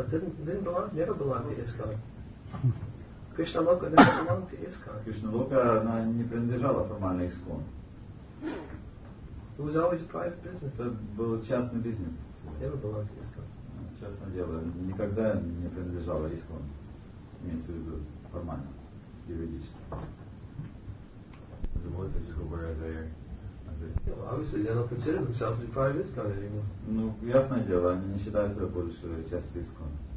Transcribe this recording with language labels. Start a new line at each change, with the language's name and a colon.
English: It didn't belong, never belong to ISKCON. Krishna Loka never belonged to ISKCON.
Russian: Krishna Loka, она не принадлежала формально ISKCON.
English: It was always a private business.
Russian: Это был частный бизнес.
English: Never belonged to ISKCON.
Russian: Частное дело, никогда не принадлежало ISKCON. Имеется в виду формально, юридически.
English: The more physical where are they? Well, obviously, they don't consider themselves to be part of ISKCON anymore.
Russian: Ну, ясное дело, они не считают себя больше частью ISKCON.